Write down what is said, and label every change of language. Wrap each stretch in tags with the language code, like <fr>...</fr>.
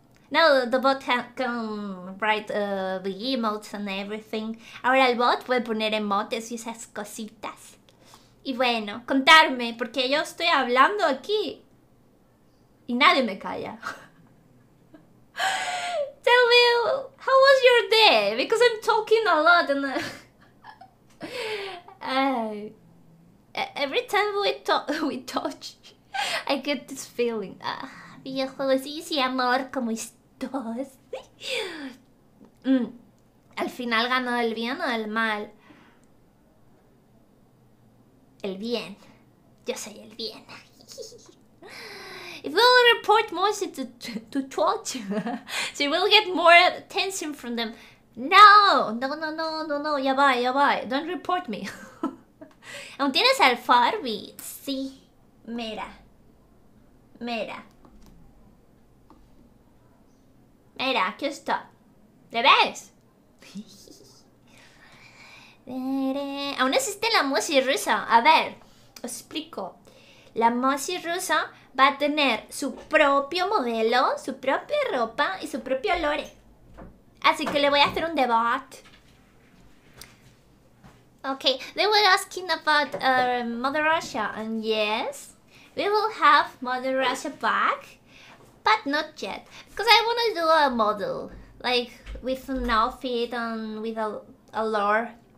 <en>Now the bot can write the emotes and everything.</en> <es>Ahora el bot puede poner emotes y esas cositas. Y bueno, contarme, porque yo estoy hablando aquí. Y nadie me calla.</es> <en>Tell me, how was your day? Because I'm talking a lot and... every time we touch, I get this feeling.</en> <es>Sí, amor, ¿cómo estás? Al final ganó el bien o el mal. El bien. Yo soy el bien.</es> <en>If we report more to torture, she will get more attention from them.</en> <es>No, ya va, ya va.</es> <en>Don't report me.</en> <es>¿Aún tienes al Farby? Sí, mira. Mira. Mira, aquí está. ¿Le ves? Aún existe la Mossy rusa. A ver, os explico. La Mossy rusa va a tener su propio modelo, su propia ropa y su propio lore. Así que le voy a hacer un debate.</es> <en>Okay, they were asking about Mother Russia, and yes, we will have Mother Russia back, but not yet, because I want to do a model, like, with an outfit and with a lore.</en>